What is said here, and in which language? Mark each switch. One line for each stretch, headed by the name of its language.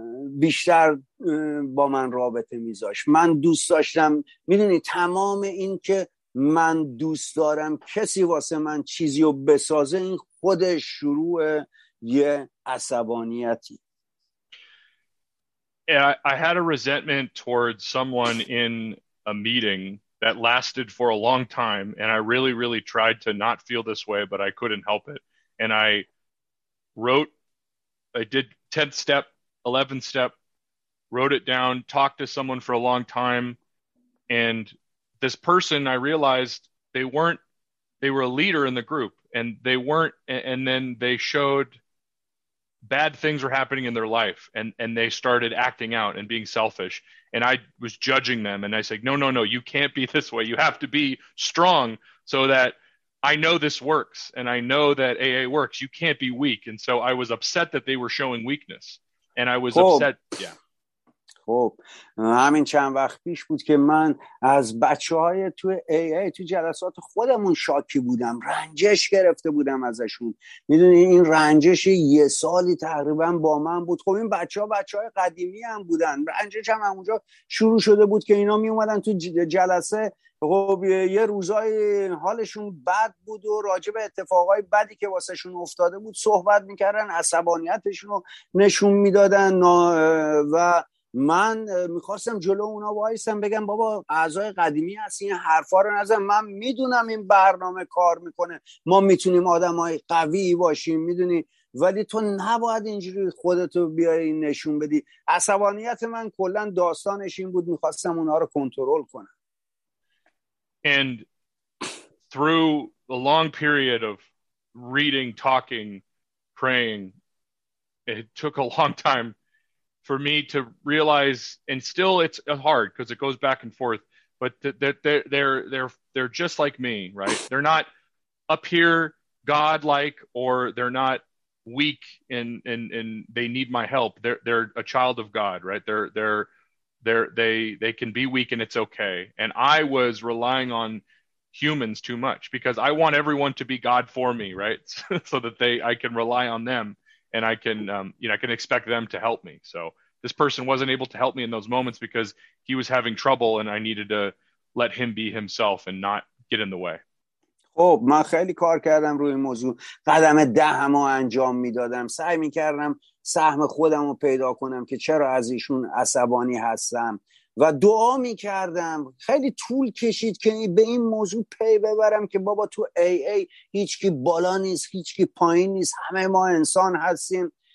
Persian: بیشتر با من رابطه میذاشت من دوست داشتم میدونی تمام این که من دوست دارم کسی واسه من چیزی رو بسازه این خودش شروع یه عصبانیتی
English: I had a resentment towards someone in a meeting that lasted for a long time and I really really tried to not feel this way but I couldn't help it and I did 10th step, 11th step, wrote it down, talked to someone for a long time. And this person, I realized they were a leader in the group and they weren't. And then they showed bad things were happening in their life and they started acting out and being selfish. And I was judging them. And I said, no, no, no, you can't be this way. You have to be strong so that I know this works and I know that AA works. You can't be weak. And so I was upset that they were showing weakness. And I was upset. Yeah.
Persian: خب همین چند وقت پیش بود که من از بچه‌های تو AA تو جلسات خودمون شاکی بودم رنجش گرفته بودم ازشون میدونی این رنجش یه سالی تقریبا با من بود خب این بچه‌ها بچه‌های قدیمی هم بودن رنجش هم اونجا شروع شده بود که اینا می اومدن تو جلسه خب یه روزای حالشون بد بود و راجع به اتفاقای بدی که واسه شون افتاده بود صحبت میکردن عصبانیتشون رو نشون میدادن و من میخواستم جلو اونا وایستم بگم بابا اعضای قدیمی هستی این حرفا رو نزن من میدونم این برنامه کار میکنه ما میتونیم آدمای قوی باشیم میدونی ولی تو نباید اینجوری خودتو بیای نشون بدی عصبانیت من کلن داستانش این بود میخواستم اونا رو کنترل کنم
English: And through a long period of reading, talking, praying, it took a long time for me to realize, and still it's hard because it goes back and forth, but they're just like me, right? They're not up here God-like or they're not weak and they need my help. They're a child of God, right? They can be weak and it's okay. And I was relying on humans too much because I want everyone to be God for me, right? So that I can rely on them and I can, I can expect them to help me. So this person wasn't able to help me in those moments because he was having trouble and I needed to let him be himself and not get in the way.
Persian: خب من خیلی کار کردم روی موضوع قدم دهم رو انجام میدادم سعی میکردم سهم خودم رو پیدا کنم که چرا از ایشون عصبانی هستم و دعا میکردم خیلی طول کشید که به این موضوع پی ببرم که بابا تو AA هیچکی بالا نیست هیچکی پایین نیست همه ما انسان هستیم